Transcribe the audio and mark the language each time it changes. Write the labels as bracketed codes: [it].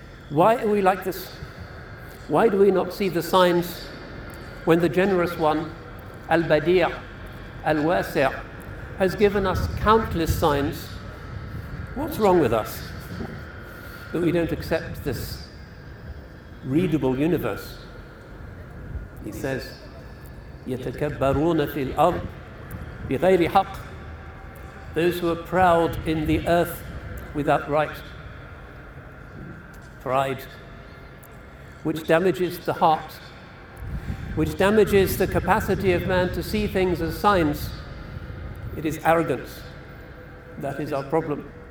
[en] Why are we like this? Why do we not see the signs when the generous one, Al-Badi'a, Al-Wasi'a, has given us countless signs? What's wrong with us that we don't accept this readable universe? He says, [ar] يَتَكَبَّرُونَ فِي الْأَرْضِ بِغَيْرِ حَقٍ. [en] Those who are proud in the earth without right. Pride, which damages the heart, which damages the capacity of man to see things as signs. It is arrogance. That is our problem.